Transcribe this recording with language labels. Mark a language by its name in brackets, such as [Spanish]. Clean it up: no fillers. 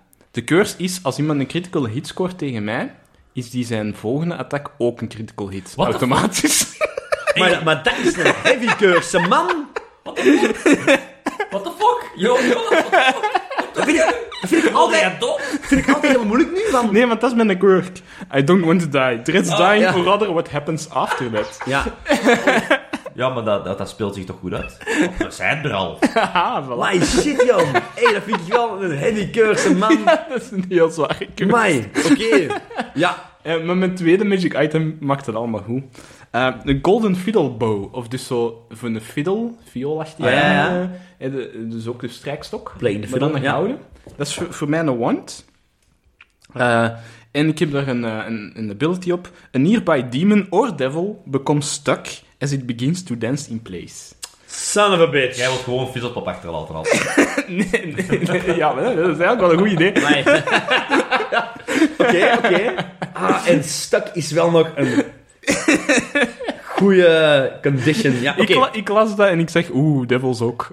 [Dutch] De curse is, als iemand een critical hit scoort tegen mij, is die zijn volgende attack ook een critical hit. [English] What [Dutch] automatisch. maar dat is een heavy curse, man. [English] What the fuck? Yo, what the fuck? [Dutch] Vind ik altijd heel moeilijk nu. Van... Nee, want dat is mijn quirk. [English] I don't want to die. Dread's dying or rather what happens after that. [Dutch] Ja. Ja, maar dat speelt zich toch goed uit? Want we zijn er al. [English] My shit, [Dutch] joh. Hey, dat vind ik wel een heavy curse, man. Ja, dat is een heel zware curse. My, Ja. Maar mijn 2e magic item maakt het allemaal goed. De golden fiddle bow. Of dus zo van de fiddle, vioolachtige. Ah, ja. Dus ook de strijkstok. [English] Playing the fiddle. [Dutch] Maar dan een gouden. Dat is voor mij een wand. En ik heb daar een ability op. [English] A nearby demon or devil becomes stuck as it begins to dance in place. Son of a bitch. [Dutch] Jij wilt gewoon Fizzlepop achterlaten. Nee. Ja, maar dat is eigenlijk wel een goed idee. Oké. Ah, en stuck is wel nog een goede condition. Ja, Ik las dat en ik zeg, devils ook.